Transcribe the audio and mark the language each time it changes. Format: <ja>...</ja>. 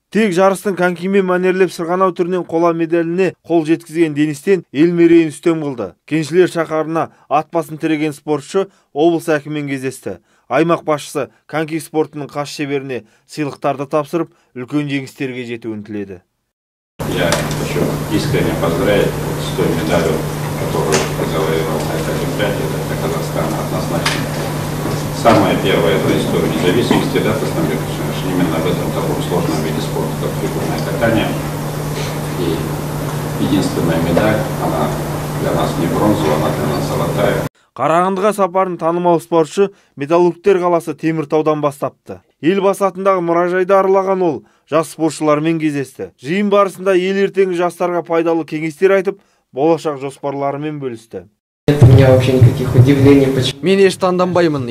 <kk>Тек жарыстың конькимен мәнерлеп сырғанау түрінен қола медаліне қол жеткізген Денистен ел мерейін үстем қылды. Кеншілер шаһарына ат басын тіреген спортшы облыс әкімімен кездесті. Аймақ басшысы коньки спортының қас шеберіне сыйлықтарды тапсырып, үлкен жеңістерге жетуін тіледі.</kk> <ru>Я хочу искренне поздравить с той медалью, которую завоевал на этой олимпиаде. Это Казахстан однозначно. Самая первая за историю независимости, да, именно в этом таком сложном виде спорта, как фигурное катание. И единственная медаль, она для нас не бронзовая, она для нас золотая.</ru> <kk>Қарағандыға сапарын танымал спортшы металлургтер қаласы Теміртаудан бастапты. Ел басатындағы мұражайды аралаған ол жас спортшылармен кездесті. Жиын барысында ел ертеңгі жастарға пайдалы кеңестер айтып, болашақ жоспарларымен бөлісті. Мен еш таңданбаймын.</kk>